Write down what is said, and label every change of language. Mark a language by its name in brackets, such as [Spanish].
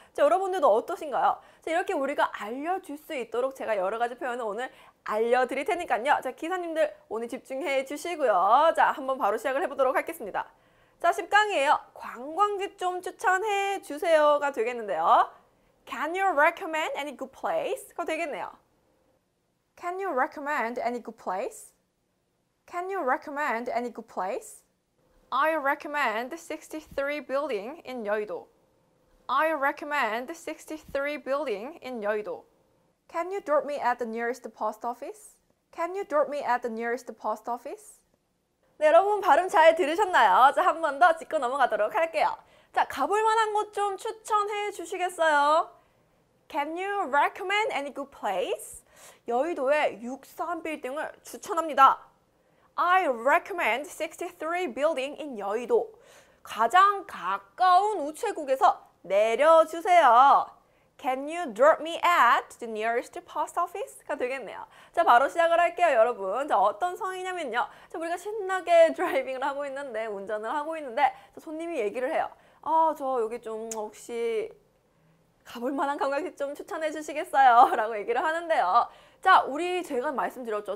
[Korean] 자, 여러분들도 어떠신가요? 자, 이렇게 우리가 알려줄 수 있도록 제가 여러 가지 표현을 오늘 알려드릴 테니까요. 자, 기사님들 오늘 집중해 주시고요. 자, 한번 바로 시작을 해보도록 하겠습니다. 자, 10강이에요. 관광지 좀 추천해 주세요가 되겠는데요. [English] Can you recommend any good place? [Korean] 가 되겠네요. [English] Can you recommend any good place? Can you recommend any good place? I recommend 63 building in 여의도. I recommend 63 building in 여의도. Can you drop me at the nearest post office? Can you drop me at the nearest post office? [Korean] 네, 여러분 발음 잘 들으셨나요? 자, 한 번 더 짚고 넘어가도록 할게요. 자, 가볼 만한 곳 좀 추천해 주시겠어요? [English] Can you recommend any good place? [Korean] 여의도에 63 빌딩을 추천합니다. [English] I recommend 63 building in 여의도. [Korean] 가장 가까운 우체국에서 내려주세요. [English] Can you drop me at the nearest post office? [Korean] 가 되겠네요. 자, 바로 시작을 할게요, 여러분. 자, 어떤 상황이냐면요. 자, 우리가 신나게 드라이빙을 하고 있는데, 운전을 하고 있는데, 자, 손님이 얘기를 해요. 아, 저 여기 좀 혹시 가볼 만한 관광지 좀 추천해 주시겠어요? 라고 얘기를 하는데요. 자, 우리 제가 말씀드렸죠.